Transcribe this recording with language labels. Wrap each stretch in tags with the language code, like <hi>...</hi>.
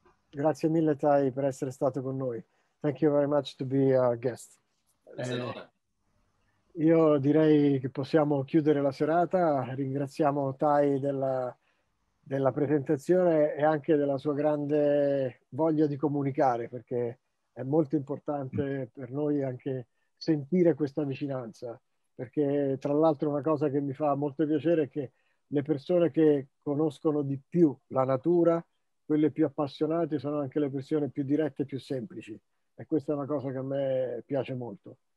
<it>Grazie mille, Tai, per essere stato con noi.</it> <en>Thank you very much to be our guest.</en> <it>Io direi che possiamo chiudere la serata. Ringraziamo Tai della presentazione e anche della sua grande voglia di comunicare, perché è molto importante per noi anche sentire questa vicinanza, perché tra l'altro una cosa che mi fa molto piacere è che le persone che conoscono di più la natura, quelle più appassionate, sono anche le persone più dirette e più semplici, e questa è una cosa che a me piace molto.</it>